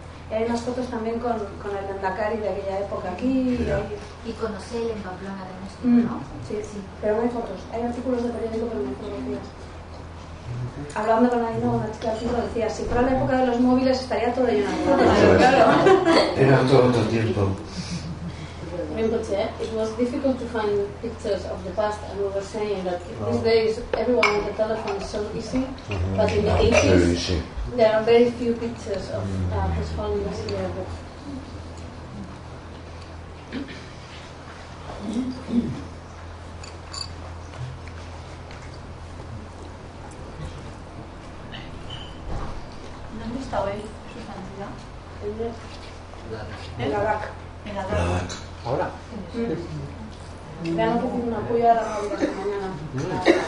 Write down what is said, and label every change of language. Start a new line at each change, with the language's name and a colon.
Spanish: Y hay unas fotos también con el Lendakari de aquella época aquí. Y conocí él en Pamplona, de México, ¿no? Sí, sí. Pero no hay fotos. Hay artículos de periódico que no hay fotografías. Hablando con Aino, una chica aquí lo decía, si fuera la época de los móviles estaría todo lleno. Claro. Era todo otro tiempo.
English: Rinpoche, it was difficult to find pictures of the past, and we were saying that these days everyone with a telephone is so easy, but in the 80s there are very few pictures of his holiness here.
Spanish: Y ahora. Me han ofrecido un apoyo a la mañana.